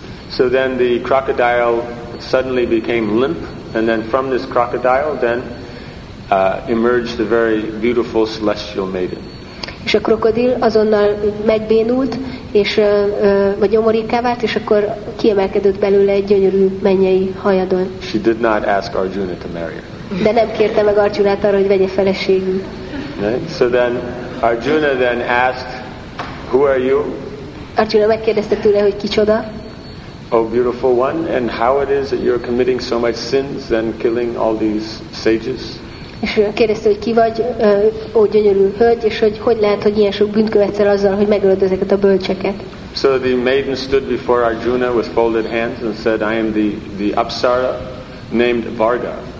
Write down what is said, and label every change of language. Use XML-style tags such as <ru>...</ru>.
<en>So then the crocodile suddenly became limp, and then from this crocodile then emerged a very beautiful celestial maiden.</en> <hu>És a krokodil azonnal megbénult, és vagy omorikká vált, és akkor kiemelkedett belőle egy gyönyörű mennyei hajadon.</hu> <en>She did not ask Arjuna to marry her.</en> <hu>De nem kérte meg Arjunát arra, hogy vegye feleségül.</hu> <en>So then Arjuna then asked, "Who are you?"</en> <hu>Arjuna megkérdezte tőle, hogy kicsoda.</hu> <en>Oh, beautiful one, and how it is that you're committing so much sins and killing all these sages?</en> <hu>És kérdezte, hogy ki vagy, ó gyönyörű hölgy, és hogy lehet, hogy ilyen sok bűnt követsz azzal, hogy megölöd ezeket a bölcseket?</hu> <en>So the maiden stood before Arjuna with folded hands and said, "I am the apsara named Varga."</en>